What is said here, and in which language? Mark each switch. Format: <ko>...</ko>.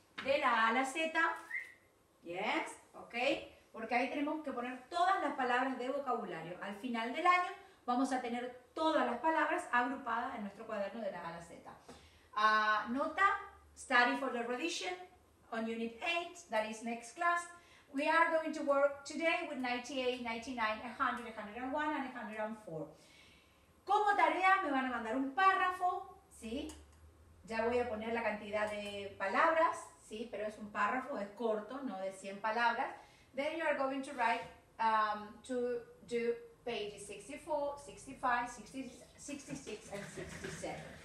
<es>De la A a la Z, yes, ok, porque ahí tenemos que poner todas las palabras de vocabulario. Al final del año vamos a tener todas las palabras agrupadas en nuestro cuaderno de la A a la Z.</es> <en>Nota, study for the revision on unit 8, that is next class. We are going to work today with 98, 99, 100, 101 and 104.</en> <es>Como tarea me van a mandar un párrafo, ¿sí? Ya voy a poner la cantidad de palabras, ¿sí? Pero es un párrafo, es corto, no de 100 palabras.</es> <en>Then you are going to write to do pages 64, 65, 66 and 67.</en>